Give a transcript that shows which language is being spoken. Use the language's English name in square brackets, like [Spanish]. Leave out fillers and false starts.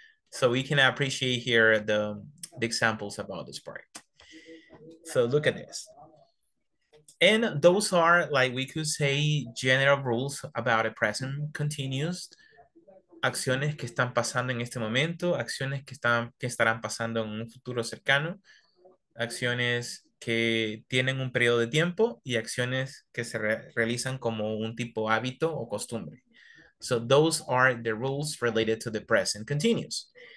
[English] So we can appreciate here the examples about this part. So look at this. And those are, like, we could say, general rules about a present continuous. [Spanish] Acciones que están pasando en este momento. Acciones que estarán pasando en un futuro cercano. Acciones que tienen un periodo de tiempo. Y acciones que se realizan como un tipo hábito o costumbre. [English] So those are the rules related to the present continuous.